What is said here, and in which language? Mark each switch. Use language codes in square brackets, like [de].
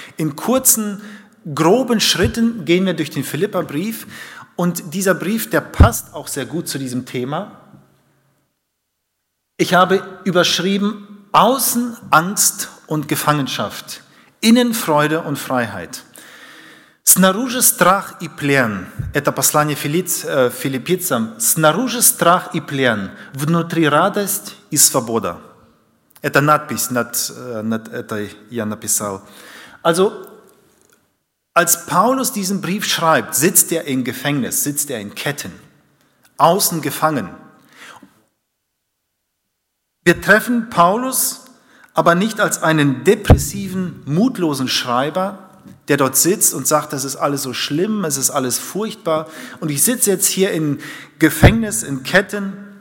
[de] In kurzen, groben Schritten gehen wir durch den Philipperbrief. Und dieser Brief, der passt auch sehr gut zu diesem Thema. Ich habe überschrieben, außen Angst und Gefangenschaft, innen Freude und Freiheit. [ru] Снаружи страх и плен. Это послание филиппийцам. Снаружи страх и плен. Внутри радость и свобода. Это надпись, над этой я написал. [de] Also, als Paulus diesen Brief schreibt, sitzt er im Gefängnis, sitzt er in Ketten, außen gefangen. Wir treffen Paulus aber nicht als einen depressiven, mutlosen Schreiber, der dort sitzt und sagt, das ist alles so schlimm, es ist alles furchtbar und ich sitze jetzt hier in Gefängnis, in Ketten.